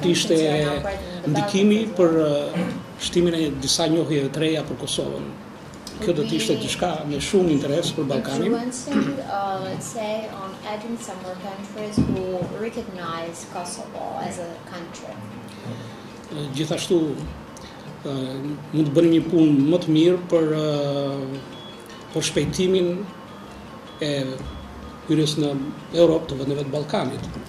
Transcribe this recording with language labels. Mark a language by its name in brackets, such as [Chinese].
[Albanian] t'ishte ndikimi për shtimin e disa njohjeve të reja për Kosovën. Kjo do t'ishte diçka me shumë interes për Ballkanin. [English] Let's say on adding some more countries who recognize Kosovo as a country. [Albanian] Gjithashtu mund të bënim një punë më të mirë për shpejtimin e hyrjes në Europë të vendeve të Ballkanit.